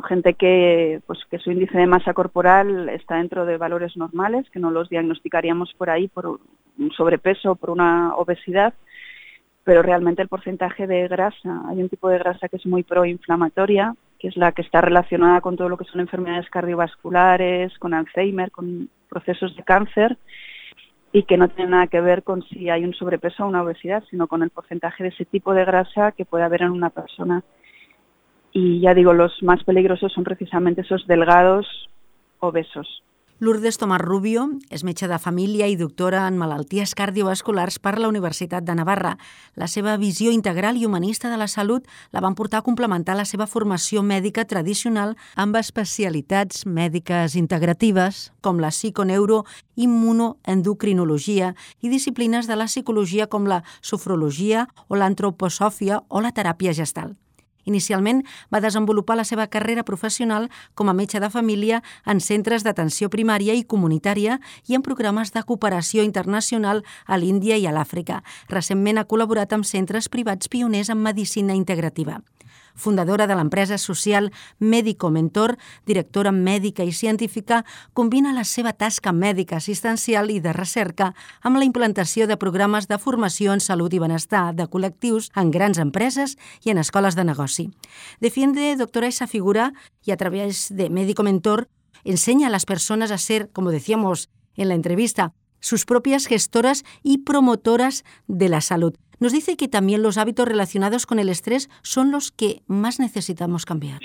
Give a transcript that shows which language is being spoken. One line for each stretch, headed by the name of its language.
Spanish: Gente que pues que su índice de masa corporal está dentro de valores normales, que no los diagnosticaríamos por ahí por un sobrepeso o por una obesidad, pero realmente el porcentaje de grasa, hay un tipo de grasa que es muy proinflamatoria, que es la que está relacionada con todo lo que son enfermedades cardiovasculares, con Alzheimer, con procesos de cáncer, y que no tiene nada que ver con si hay un sobrepeso o una obesidad, sino con el porcentaje de ese tipo de grasa que puede haber en una persona. Y ya digo, los más peligrosos son precisamente esos delgados obesos.
Catalan: Lourdes Tomás Rubio és metge de família i doctora en malalties cardiovasculars per la Universitat de Navarra. La seva visió integral i humanista de la salut la van portar a complementar la seva formació mèdica tradicional amb especialitats mèdiques integratives com la psiconeuroimmunoendocrinologia i disciplines de la psicologia com la sofrologia o l'antroposòfia o la teràpia gestal. Inicialment va desenvolupar la seva carrera professional com a metge de família en centres d'atenció primària i comunitària i en programes de cooperació internacional a l'Índia i a l'Àfrica. Recentment ha col·laborat amb centres privats pioners en medicina integrativa. Fundadora de l'empresa social Medico Mentor, directora mèdica i científica, combina la seva tasca mèdica assistencial i de recerca amb la implantació de programes de formació en salut i benestar de col·lectius en grans empreses i en escoles de negoci.
Spanish: Defiende, doctora, esa figura y a través de Medico Mentor enseña a las personas a ser, como decíamos en la entrevista, sus propias gestoras y promotoras de la salud. Nos dice que también los hábitos relacionados con el estrés son los que más necesitamos cambiar.